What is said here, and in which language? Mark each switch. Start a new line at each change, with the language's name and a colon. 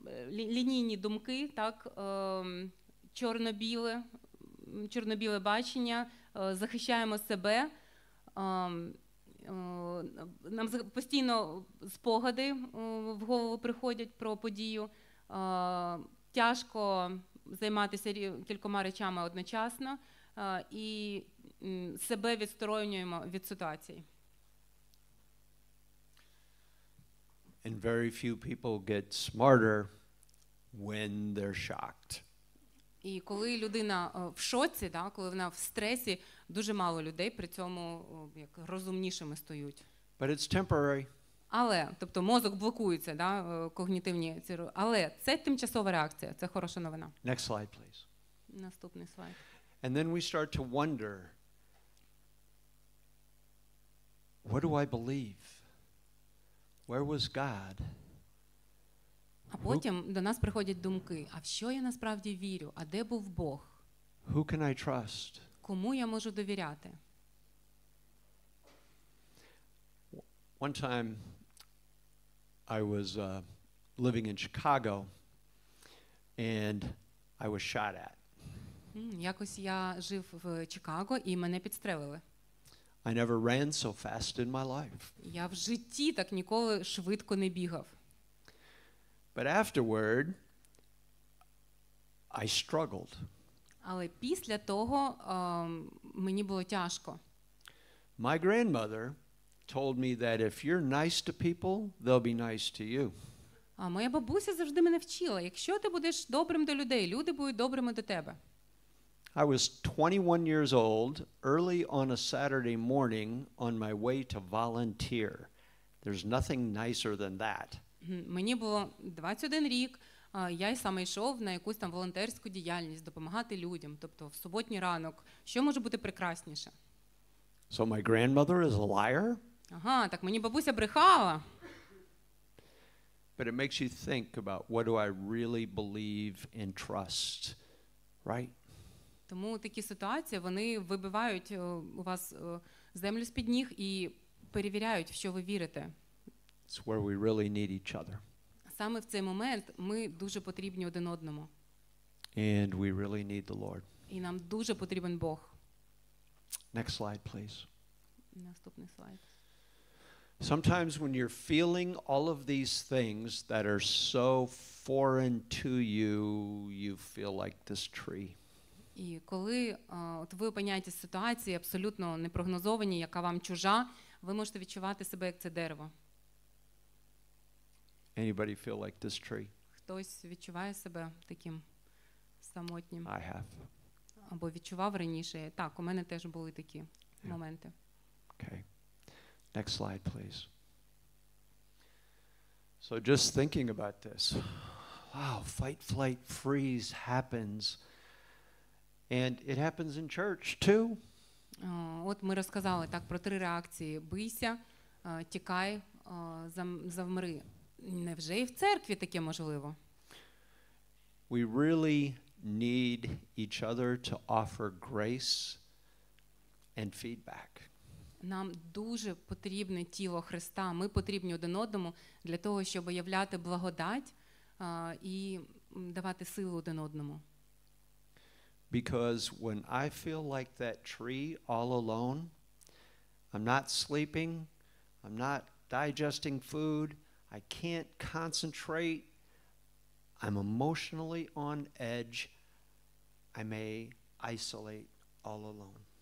Ukrainian: лінійні думки, так, чорно-біле бачення, захищаємо себе, нам постійно спогади в голову приходять про подію, тяжко займатися кількома речами одночасно, і себе відсторонюємо від ситуації.
English: And very few people get smarter when they're shocked.
Ukrainian: І коли людина в шоці, да, коли вона в стресі, дуже мало людей при цьому як розумнішими стають.
English: But it's temporary.
Ukrainian: Але, тобто мозок блокується, да, когнітивні ці, але це тимчасова реакція, це хороша новина.
English: Next slide, please.
Ukrainian: Наступний слайд.
English: And then we start to wonder, what do I believe? Where was God?
Ukrainian: А потім до нас приходять думки, а в що я насправді вірю? А де був Бог?
English: Who can I trust?
Ukrainian: Кому я можу довіряти?
English: One time I was living in Chicago and I was shot at.
Ukrainian: Якось я жив в Чикаго і мене підстрелили.
English: I never ran so fast in my life.
Ukrainian: Я в житті так ніколи швидко не бігав.
English: But afterward I struggled.
Ukrainian: Але після того, мені було тяжко.
English: My grandmother told me that if you're nice to people, they'll be nice to you.
Ukrainian: А моя бабуся завжди мене вчила: якщо ти будеш добрим до людей, люди будуть добрими до тебе.
English: I was 21 years old, early on a Saturday morning, on my way to volunteer. There's nothing nicer than that.
Ukrainian: Мені було 21 рік, я й саме йшов на якусь там волонтерську діяльність, допомагати людям, тобто в суботній ранок. Що може бути прекрасніше?
English: So my grandmother is a liar?
Ukrainian: Ага, так мені бабуся брехала.
English: But it makes you think about what do I really believe and trust, right?
Ukrainian: Тому такі ситуації, вони вибивають у вас землю з-під ніг і перевіряють, в що ви вірите.
English: It's where we really need each other.
Ukrainian: Саме в цей момент ми дуже потрібні один одному.
English: And we really need the Lord.
Ukrainian: І нам дуже потрібен Бог.
English: Next slide, please.
Ukrainian: Наступний слайд.
English: Sometimes when you're feeling all of these things that are so foreign to you, you feel like this tree.
Ukrainian: І коли от ви опиняєтесь в ситуації абсолютно непрогнозовані, яка вам чужа, ви можете відчувати себе як це дерево.
English: Anybody feel like this tree?
Ukrainian: Хтось відчуває себе таким самотнім?
English: I have.
Ukrainian: Або відчував раніше? Так, у мене теж були такі моменти.
English: Okay. Next slide, please. So just thinking about this. Wow, fight, flight, freeze happens. And it happens in church too.
Ukrainian: От ми розказали так про три реакції: бийся, тікай, завмри. Невже і в церкві таке можливо?
English: We really need each other to offer grace and feedback.
Ukrainian: Нам дуже потрібне тіло Христа. Ми потрібні один одному для того, щоб являти благодать і давати силу один одному.
English: Because when I feel like that tree all alone, I'm not sleeping, I'm not digesting food, I can't concentrate, I'm emotionally on edge, I may isolate all alone.